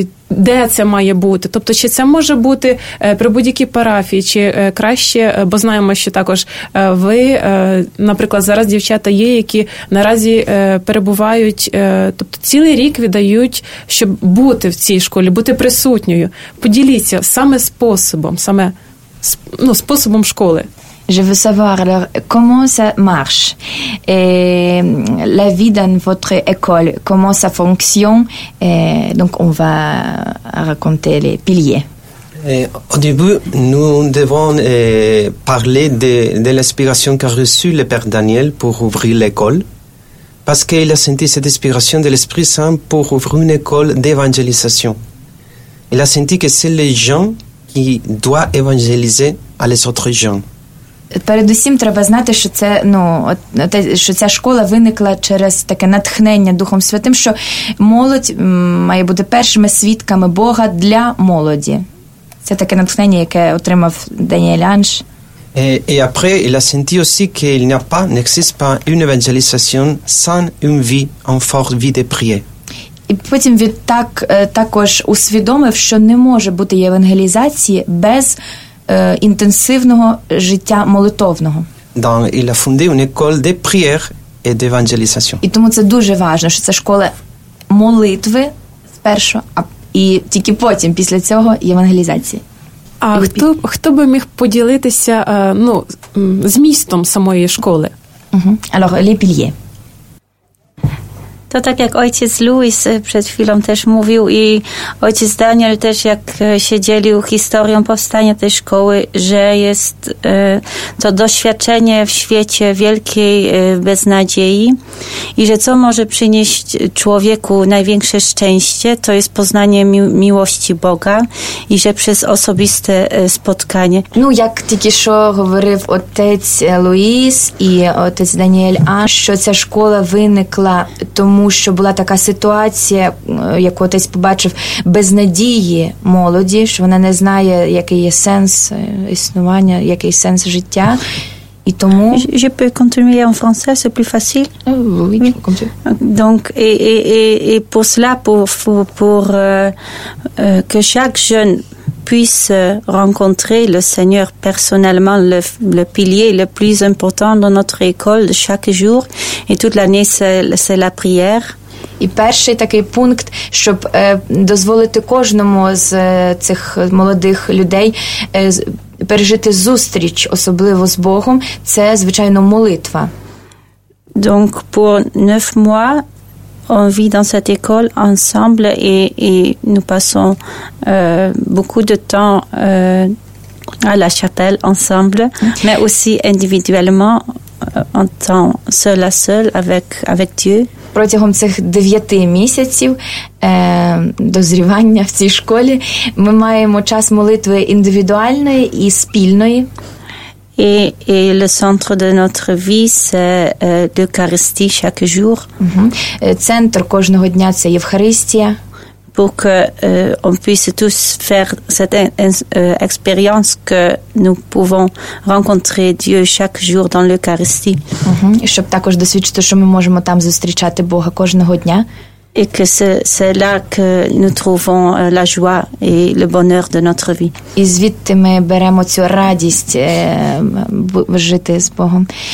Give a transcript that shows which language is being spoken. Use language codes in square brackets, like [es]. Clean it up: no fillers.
[uk] Де це має бути? Тобто, чи це може бути при будь-якій парафії, чи краще, бо знаємо, що також ви, наприклад, зараз дівчата є, які наразі перебувають, тобто цілий рік віддають, щоб бути в цій школі, бути присутньою. Поділіться саме способом, способом школи. [fr] Je veux savoir alors comment ça marche et la vie dans votre école, comment ça fonctionne. Et donc on va raconter les piliers. Et au début, nous devons parler de l'inspiration qu'a reçue le Père Daniel pour ouvrir l'école, parce qu'il a senti cette inspiration de l'Esprit Saint pour ouvrir une école d'évangélisation. Il a senti que c'est les gens qui doivent évangéliser à les autres gens. [uk] Перед усім треба знати, що це, що ця школа виникла через таке натхнення Духом Святим, що молодь має бути першими свідками Бога для молоді. Це таке натхнення, яке отримав Даніель Анж. [fr] Et après, il a senti aussi qu'il n'y a pas, n'existe pas une évangélisation sans une vie en forte vie de prière. [uk] І потім він також усвідомив, що не може бути євангелізації без інтенсивного життя молитовного. [fr] Donc, il a fondé une école de prière et d'évangélisation. [uk] І тому це дуже важливо, що це школа молитви спершу, а і тільки потім, після цього, євангелізації. А хто би міг поділитися змістом самої школи? [fr] Alors, les piliers. [pl] To tak jak ojciec Louis przed chwilą też mówił i ojciec Daniel też jak się dzielił historią powstania tej szkoły, że jest to doświadczenie w świecie wielkiej beznadziei i że co może przynieść człowieku największe szczęście, to jest poznanie miłości Boga i że przez osobiste spotkanie. No jak tylko co mówił ojciec Louis i ojciec Daniel, a że ta szkoła wynikła [uk] тому, що була така ситуація, яку отець побачив, без надії молоді, що вона не знає, який є сенс існування, який сенс життя. І тому... [fr] Je peux continuer en français, c'est plus facile. Oui, comme tu. Donc, et pour cela, pour que chaque jeune puisse rencontrer le Seigneur personnellement, le pilier le plus important dans notre école chaque jour et toute l'année, c'est la prière. [uk] І перший такий пункт, щоб дозволити кожному з цих молодих людей пережити зустріч, особливо з Богом, це, звичайно, молитва. [fr] Donc, pour 9 mois, on vit dans cette école ensemble et nous passons beaucoup de temps à la chapelle ensemble, mais aussi individuellement, en temps seul à seul avec Dieu. [uk] Протягом цих 9 місяців дозрівання в цій школі ми маємо час молитви індивідуальної і спільної. [fr] Et le centre de notre vie, c'est l'Eucharistie chaque jour. [uk] Центр кожного дня – це Євхаристія. [fr] Pour que on puisse tous faire cette expérience que nous pouvons rencontrer Dieu chaque jour dans l'Eucharistie. Mm-hmm. [uk] Щоб також досвідчити, що ми можемо там зустрічати Бога кожного дня. [fr] Et que c'est là que nous trouvons la joie et le bonheur de notre vie. [uk] І звідти ми беремо цю радість жити з Богом.